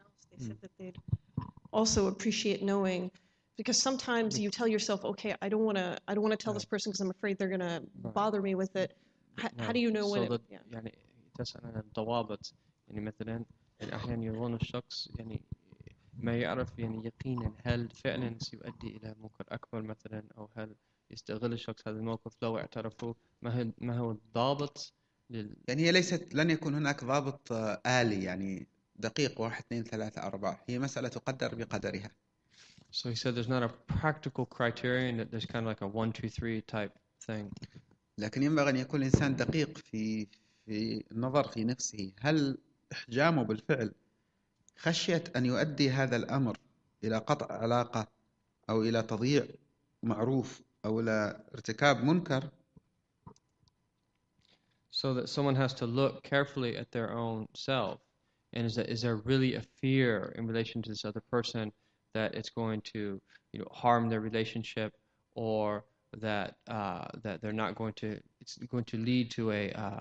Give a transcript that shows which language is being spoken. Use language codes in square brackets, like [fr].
[en] They said that they'd also appreciate knowing, because sometimes you tell yourself, okay, I don't want to tell this person because I'm afraid they're going to bother me with it. How do you know when it, [ar] الضوابط يعني مثلا يعني أحيانا يظن الشخص يعني ما يعرف يعني يقينا هل فعلا سيؤدي إلى موقف أكبر مثلا أو هل يستغل الشخص هذا الموقف لو اعترفه، ما هو الضابط لل يعني هي ليست لن يكون هناك ضابط آلي يعني دقيق 1 2 3 4، هي مسألة تقدر بقدرها. [en] So he said there's not a practical criterion that there's kind of like a 1 2 3 type thing. [ar] لكن ينبغي أن يكون الإنسان دقيق في النظر في نفسه، هل إحجامه بالفعل خشية أن يؤدي هذا الأمر إلى قطع علاقة أو إلى تضييع معروف أو إلى ارتكاب منكر؟ [en] So that someone has to look carefully at their own self, and is there really a fear in relation to this other person that it's going to, you know, harm their relationship, or that they're not going to, it's going to lead to a